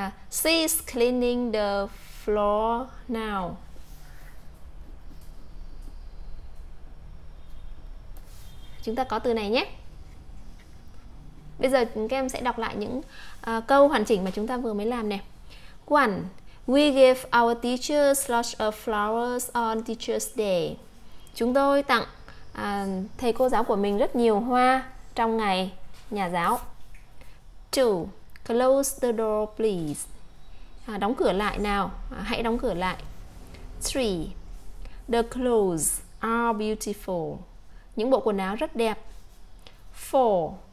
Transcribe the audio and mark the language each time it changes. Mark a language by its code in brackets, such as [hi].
[en] She's cleaning the floor now. [vi] Chúng ta có từ này nhé. Bây giờ các em sẽ đọc lại những câu hoàn chỉnh mà chúng ta vừa mới làm nè. [en] 1. We give our teachers lots of flowers on Teacher's Day. [vi] Chúng tôi tặng thầy cô giáo của mình rất nhiều hoa trong ngày nhà giáo. 2. [en] Close the door, please. [vi] Đóng cửa lại nào. Hãy đóng cửa lại. 3. [en] The clothes are beautiful. [vi] Những bộ quần áo rất đẹp. 4.